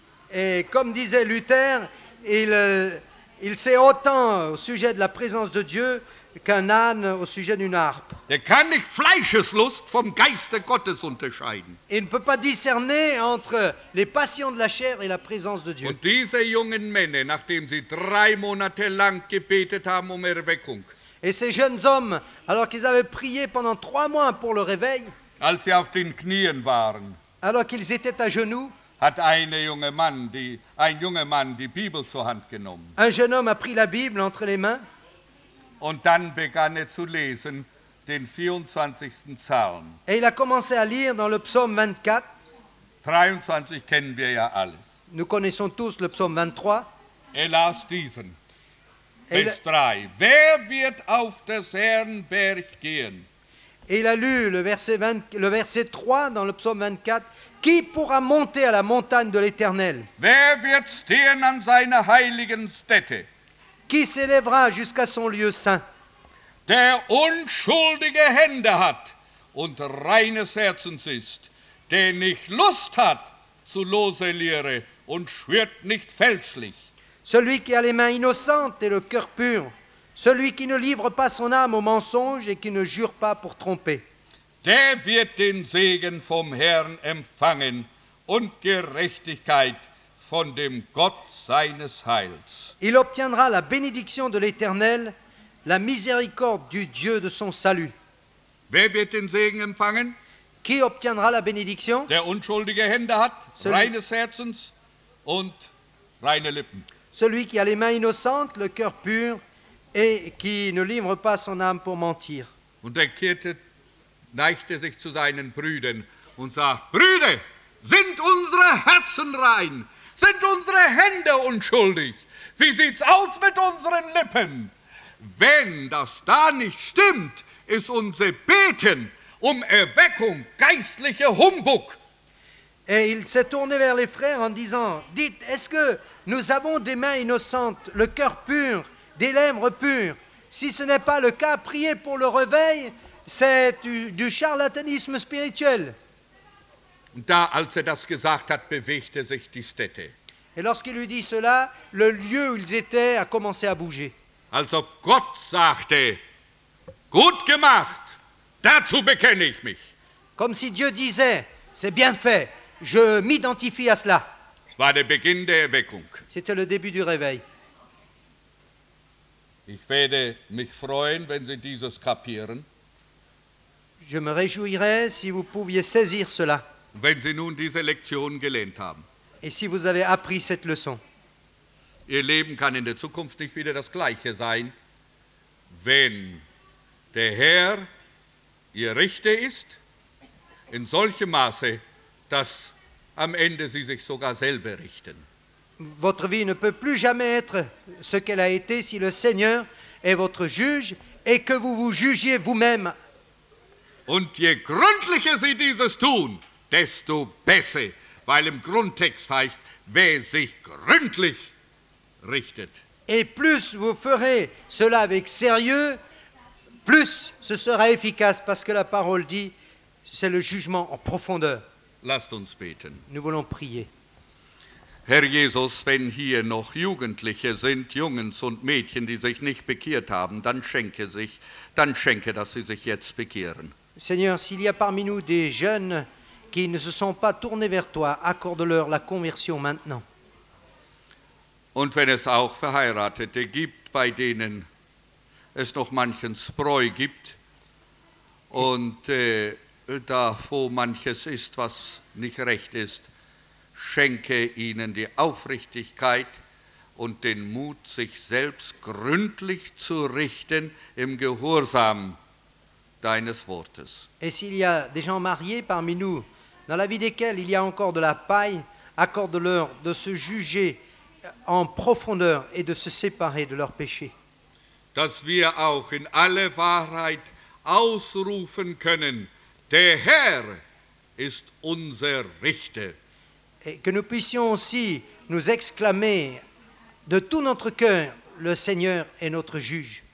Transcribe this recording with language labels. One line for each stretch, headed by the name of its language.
French: Et comme disait Luther, il sait autant au sujet de la présence de Dieu qu'un âne au sujet d'une harpe.
German: Der kann nicht Fleischeslust vom Geiste Gottes unterscheiden.
French: Il ne peut pas discerner entre les passions de la chair et la présence de Dieu.
German: Und diese jungen Männer, nachdem sie 3 Monate lang gebetet haben um Erweckung,
French: et ces jeunes hommes, alors qu'ils avaient prié pendant 3 mois pour le réveil,
German: als sie auf den Knien waren,
French: alors qu'ils étaient à genoux,
German: hat ein junger Mann die Bibel zur Hand genommen.
French: Un jeune homme a pris la Bible entre les mains.
German: Und dann begann zu lesen den 24. Psalm.
French: Et il a commencé à lire dans le psaume 24.
German: 23 kennen wir ja alles.
French: Nous connaissons tous le psaume 23.
German: Er las diesen. Vers 3. Wer wird auf des Herrn Berg gehen?
French: Et il a lu le verset 3 dans le psaume 24. Qui pourra monter à la montagne de l'Éternel?
German: Wer wird stehen an seiner heiligen Stätte?
French: Qui s'élèvera jusqu'à son lieu saint?
German: Der unschuldige Hände hat und reines Herzens ist, der nicht Lust hat zu lose Lehre und schwört nicht fälschlich.
French: Celui qui a les mains innocentes et le cœur pur, celui qui ne livre pas son âme au mensonge et qui ne jure pas pour tromper.
German: Der wird den Segen vom Herrn empfangen und Gerechtigkeit von dem Gott seines Heils.
French: Il obtiendra la bénédiction de l'Éternel, la miséricorde du Dieu de son salut.
German: Wer wird den Segen empfangen?
French: Qui obtiendra la bénédiction?
German: Der unschuldige Hände hat, reines Herzens und reine Lippen.
French: Celui qui a les mains innocentes, le cœur pur, et qui ne livre pas son âme pour mentir.
German: Und neigte sich zu seinen Brüdern und sagt, Brüder, sind unsere Herzen rein? Sind unsere Hände unschuldig? Wie sieht's aus mit unseren Lippen? Wenn das da nicht stimmt, ist unser Beten um Erweckung geistlicher Humbug.
French: Et il s'est tourné vers les frères en disant, dites, est-ce que nous avons des mains innocentes, le cœur pur, des lèvres pures. Si ce n'est pas le cas, priez pour le réveil, c'est du charlatanisme spirituel.
German: Und da, als er das gesagt hat, bewegte sich die Stätte.
French: Et lorsqu'il lui dit cela, le lieu où ils étaient a commencé à bouger.
German: Als ob Gott sagte, gut gemacht, dazu bekenne ich mich.
French: Comme si Dieu disait, c'est bien fait, je m'identifie à cela.
German: Es war der Beginn der Erweckung.
French: C'était le début du réveil.
German: Ich werde mich freuen, wenn Sie dieses kapieren.
French: Je me réjouirais si vous pouviez saisir cela.
German: Wenn Sie nun diese Lektion gelernt haben.
French: Et si vous avez appris cette leçon.
German: Ihr Leben kann in der Zukunft nicht wieder das gleiche sein, wenn der Herr Ihr Richter ist, in solchem Maße, dass am Ende Sie sich sogar selber richten.
French: Votre vie ne peut plus jamais être ce qu'elle a été si le Seigneur est votre juge et que vous vous jugiez vous-même.
German: Und je gründlicher Sie dieses tun, desto besser, weil im Grundtext heißt, wer sich gründlich richtet.
French: Et plus vous ferez cela avec sérieux, plus ce sera efficace, parce que la parole dit, c'est le jugement en profondeur.
German: Lasst uns beten.
French: Nous voulons prier.
German: Herr Jesus, wenn hier noch Jugendliche sind, Jungens und Mädchen, die sich nicht bekehrt haben, dann schenke, dass sie sich jetzt bekehren.
French: Seigneur, s'il y a parmi nous des jeunes qui ne se sont pas tournés vers toi, accorde-leur la conversion maintenant.
German: Und wenn es auch Verheiratete gibt, bei denen es noch manchen Spreu gibt und da wo manches ist, was nicht recht ist, schenke ihnen die Aufrichtigkeit und den Mut, sich selbst gründlich zu richten im Gehorsam deines Wortes.
French: Et s'il y a des gens mariés parmi nous, dans la vie desquels il y a encore de la paille, accorde-leur de se juger en profondeur et de se séparer de leurs péchés.
German: Dass wir auch in alle Wahrheit ausrufen können, der Herr ist unser Richter.
French: Et que nous puissions aussi nous exclamer de tout notre cœur, le Seigneur est notre juge.